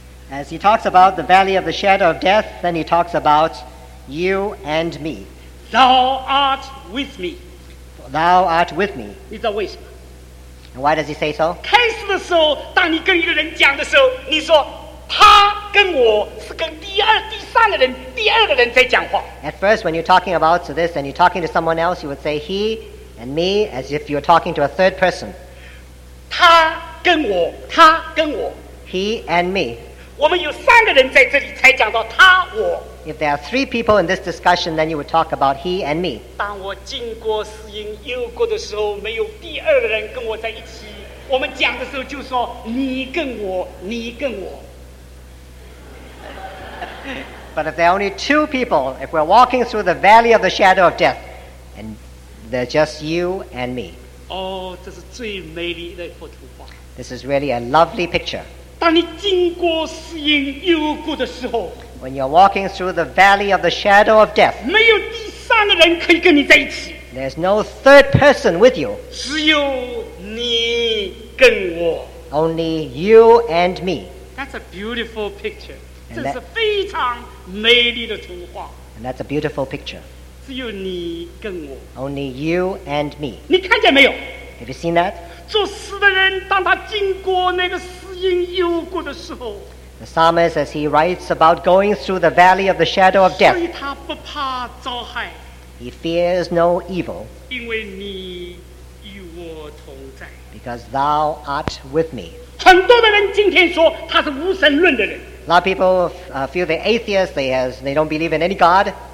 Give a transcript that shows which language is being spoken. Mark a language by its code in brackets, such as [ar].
[en] As he talks about the valley of the shadow of death, then he talks about you and me. Thou art with me. Thou art with me. [zh] 你知道为什么？ [en] And why does he say so? [zh] 开始的时候，当你跟一个人讲的时候，你说。他跟我是跟第二、第三个人、第二个人在讲话。 [en] At first, when you're talking about this and you're talking to someone else, you would say he and me as if you're talking to a third person. [zh] 他跟我，他跟我。 [en] He and me. [zh] 我们有三个人在这里才讲到他我。 [en] If there are three people in this discussion, then you would talk about he and me. [zh] 当我经过死荫幽谷的时候，没有第二个人跟我在一起。我们讲的时候就说你跟我，你跟我。 [en] But if there are only two people, if we're walking through the valley of the shadow of death, and there's just you and me. [zh] Oh, 这是最美丽的一幅图画。 [en] This is really a lovely picture. [zh] 当你经过死荫幽谷的时候， [en] when you're walking through the valley of the shadow of death, [zh] 没有第三个人可以跟你在一起。 [en] There's no third person with you. [zh] 只有你跟我。 [en] Only you and me. That's a beautiful picture. [zh] 这是非常美丽的图画。 [en] And that's a beautiful picture. [zh] 只有你跟我。 [en] Only you and me. [zh] 你看见没有？ [en] Have you seen that? [zh] 作诗的人当他经过那个死荫幽谷的时候， [en] The psalmist as he writes about going through the valley of the shadow of death. [zh] 所以他不怕遭害。 [en] He fears no evil. [zh] 因为你与我同在。 [en] Because thou art with me. [zh] 很多的人今天说他是无神论的人。 [en] A lot of people feel they're atheists, they don't believe in any God.